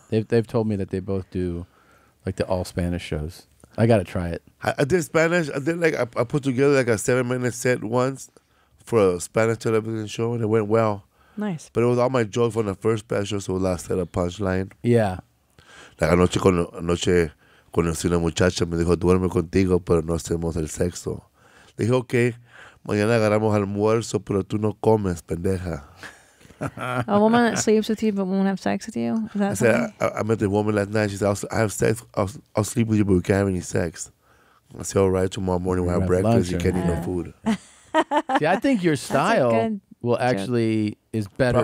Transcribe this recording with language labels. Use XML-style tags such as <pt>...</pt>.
<en>They've told me that they both do like the all Spanish shows. I got to try it. I did Spanish. I did like, I put together like a 7-minute set once for a Spanish television show and it went well. Nice. But it was all my jokes from the first special, so last set of punchline. Yeah.</en> <es>Like anoche, conocí una muchacha, me dijo, duerme contigo, pero no hacemos el sexo. Le dije, okay, mañana agarramos almuerzo, pero tú no comes, pendeja.</es> <en>A woman that sleeps with you, but won't have sex with you? Is that I said, I met the woman last night, she said, I'll sleep with you, but we can't have any sex. I said, all right, tomorrow morning we'll have breakfast, lunch, you can't eat no food. See, I think your style will actually is better</en>